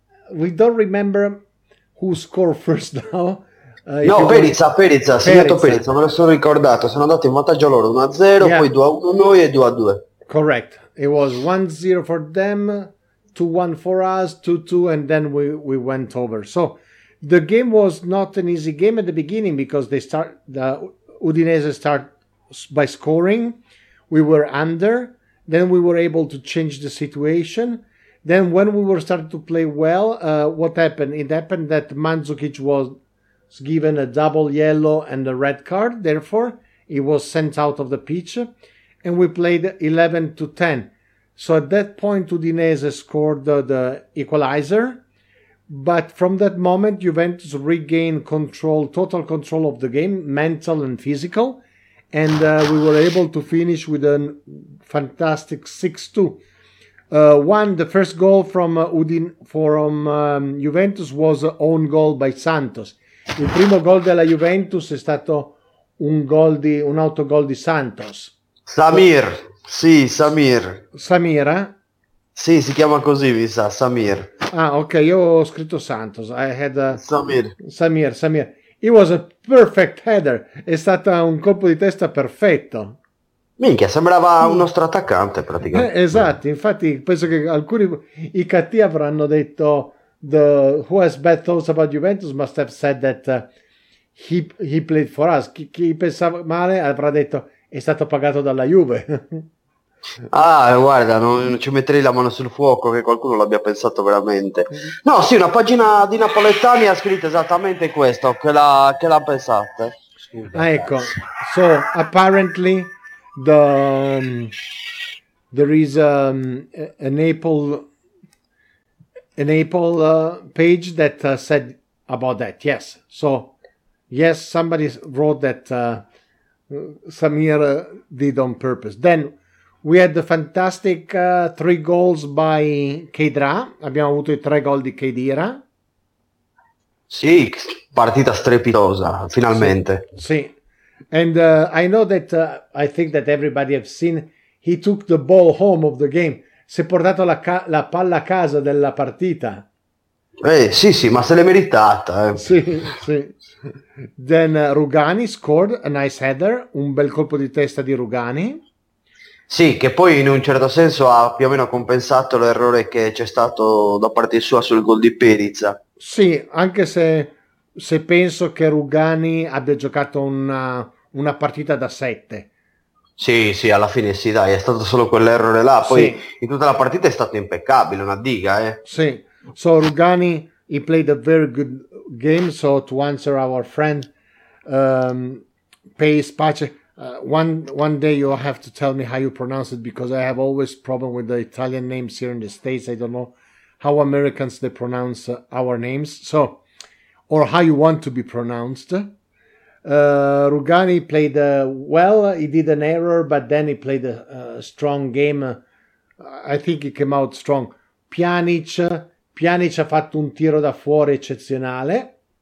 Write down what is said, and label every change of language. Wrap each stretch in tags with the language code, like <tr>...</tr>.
<en>We don't remember who scored first now.</en> <it>No, Perizza, segnato Perizza, me lo sono ricordato, sono andato in vantaggio loro 1-0, yeah. Poi 2-1 noi e 2-2.</it> <en>Correct. It was 1-0 for them, 2-1 for us, 2-2, and then we went over. So the game was not an easy game at the beginning because the Udinese start by scoring. We were under, then we were able to change the situation. Then when we were starting to play well, what happened? It happened that Mandzukic was given a double yellow and a red card. Therefore, he was sent out of the pitch. And we played 11-10. So at that point, Udinese scored the equalizer. But from that moment, Juventus regained control, total control of the game, mental and physical. And we were able to finish with a fantastic 6-2. One, the first goal from Juventus was an own goal by Santos.</en> <it>Il primo gol della Juventus è stato un autogol di Santos. Samir, sì, Samir. Samira? Sì, si chiama così, mi sa, Samir. Ah, ok, io ho scritto Santos.</it> <en>I had a... Samir. Samir. It was a perfect header.</en> <it>È stato un colpo di testa perfetto. Minchia, sembrava un nostro attaccante, praticamente. Esatto, infatti penso che alcuni, i cattivi avranno detto</it> <en>the who has bad thoughts about Juventus must have said that he played for us.</en> <it>Chi pensava male avrà detto... È stato pagato dalla Juve. Ah, guarda, non ci metterei la mano sul fuoco che qualcuno l'abbia pensato veramente. No, sì, una pagina di Napoletani ha scritto esattamente questo, che l'ha pensata. Ecco.</it> <en>So apparently the there is an Apple page that said about that. Yes. So yes, somebody wrote that Samir did on purpose. Then we had the fantastic three goals by Kedira.</en> <it>Abbiamo avuto i tre gol di Kedira. Sì, partita strepitosa, finalmente.</it> <en>Sì, and I know that I think that everybody have seen he took the ball home of the game.</en> <it>Si è portato la palla a casa della partita. Sì, ma se l'è meritata. Sì, sì.</it> <en>Then Rugani scored a nice header,</en> <it>un bel colpo di testa di Rugani. Sì, che poi in un certo senso ha più o meno compensato l'errore che c'è stato da parte sua sul gol di Perizza. Sì, anche se penso che Rugani abbia giocato una partita da sette. Sì, alla fine sì, dai, è stato solo quell'errore là. Poi sì. In tutta la partita è stato impeccabile, una diga, eh.</it> <en>Sì, so Rugani, he played a very good game, so to answer our friend, Pace Pace, one day you have to tell me how you pronounce it, because I have always problem with the Italian names here in the States, I don't know. How Americans they pronounce our names, so or how you want to be pronounced. Rugani played well. He did an error, but then he played a strong game. I think he came out strong.</en> <it>Pjanic ha fatto un tiro da fuori eccezionale.</it>